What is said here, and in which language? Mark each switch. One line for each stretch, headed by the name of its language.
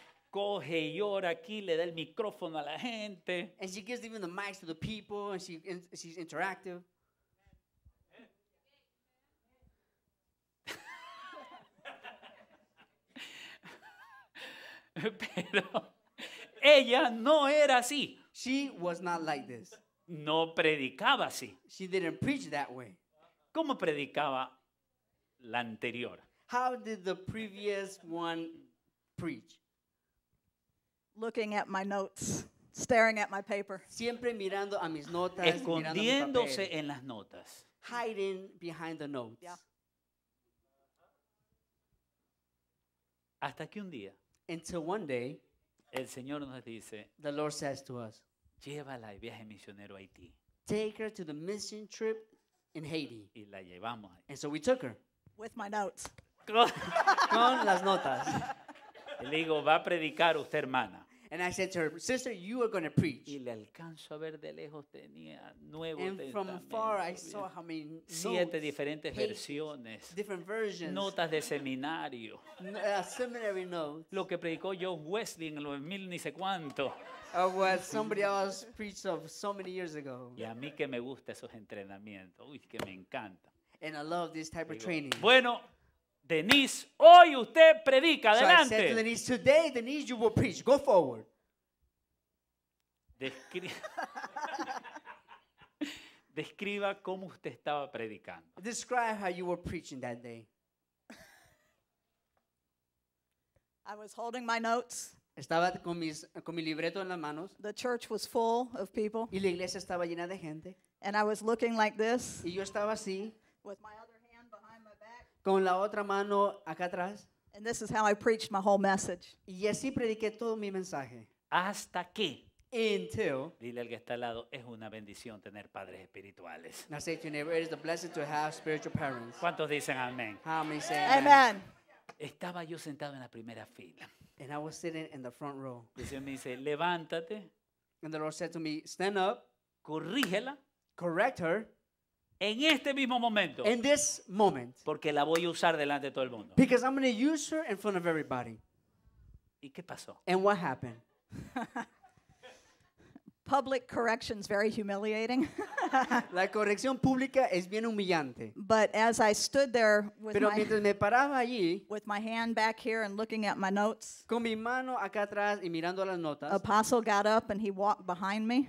Spanish: Coge y llora aquí, le da el micrófono a la gente.
English: And she gives even the mics to the people, and she's interactive.
Spanish: Pero ella no era así.
English: She was not like this.
Spanish: No predicaba así.
English: She didn't preach that way.
Spanish: ¿Cómo predicaba la anterior?
English: How did the previous one preach? Looking at my notes, staring at my paper.
Spanish: Siempre mirando a mis notas, escondiéndose mi papel, en las notas.
English: Hiding behind the notes. Yeah.
Spanish: Hasta que un día.
English: Until one day.
Spanish: El Señor nos dice.
English: The Lord says to us.
Spanish: Llévala de viaje misionero a Haití.
English: Take her to the mission trip in Haiti.
Spanish: Y la llevamos ahí.
English: And so we took her. With my notes.
Spanish: Con las notas. Le digo, va a predicar usted, hermana.
English: And I said to her, sister, you are going to preach.
Spanish: Y le alcanzo a ver de lejos, tenía nuevo
English: and
Spanish: de
English: from far, I saw how many
Spanish: siete diferentes versiones.
English: Different versions.
Spanish: Notas de seminario.
English: Seminary notes.
Spanish: Lo que predicó John Wesley en los mil ni sé cuánto.
English: What somebody else preached of so many years ago.
Spanish: Y a mí que me gusta esos entrenamientos. Uy, que me encanta.
English: And I love this type
Spanish: digo,
English: of training.
Spanish: Bueno. Denise, hoy usted predica. Adelante.
English: So I said to Denise, today, Denise, you will preach. Go forward.
Spanish: Describa cómo usted estaba predicando.
English: Describe how you were preaching that day. I was holding my notes.
Spanish: Estaba con mi libreto en las manos.
English: The church was full of people.
Spanish: Y la iglesia estaba llena de gente.
English: And I was looking like this.
Spanish: Y yo estaba así.
English: With my other.
Spanish: Con la otra mano acá atrás.
English: And this is how I preached my whole message.
Spanish: Y así prediqué todo mi mensaje. Hasta que.
English: Until.
Spanish: Dile al que está al lado, es una bendición tener padres espirituales.
English: Now say to your neighbor, it is a blessing to have spiritual parents.
Spanish: ¿Cuántos dicen amén?
English: How many say amen? Amen.
Spanish: Estaba yo sentado en la primera fila.
English: And I was sitting in the front row.
Spanish: Y el Señor me dice, levántate.
English: And the Lord said to me, stand up.
Spanish: Corrígela.
English: Correct her.
Spanish: En este mismo momento.
English: In this moment.
Spanish: Porque la voy a usar delante de todo el mundo.
English: Because I'm going to use her in front of everybody.
Spanish: ¿Y qué pasó?
English: And what happened? Public correction is very humiliating.
Spanish: La corrección pública es bien humillante.
English: But as I stood there with,
Spanish: pero mientras me paraba allí,
English: with my hand back here and looking at my notes,
Spanish: con mi mano acá atrás y mirando las notas,
English: apostle got up and he walked behind me.